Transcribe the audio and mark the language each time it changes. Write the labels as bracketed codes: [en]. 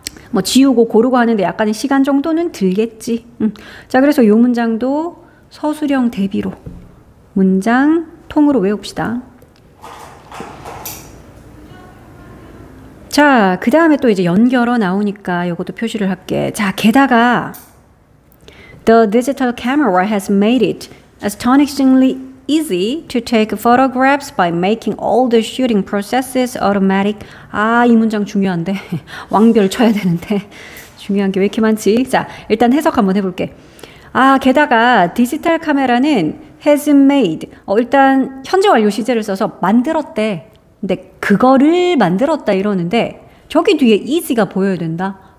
[ko] 뭐 지우고 고르고 하는데 약간의 시간 정도는 들겠지. 자, 그래서 이 문장도 서술형 대비로 문장 통으로 외웁시다. 자, 그 다음에 또 이제 연결어 나오니까 이것도 표시를 할게. 자, 게다가 [en] The digital camera has made it astonishingly easy to take photographs by making all the shooting processes automatic. [ko] 아, 이 문장 중요한데. 왕별 쳐야 되는데. 중요한 게왜 이렇게 많지? 자, 일단 해석 한번 해볼게. 아, 게다가 디지털 카메라는 has made. 일단 현재 완료 시제를 써서 만들었대. 근데 그거를 만들었다 이러는데 저기 뒤에 easy가 보여야 된다.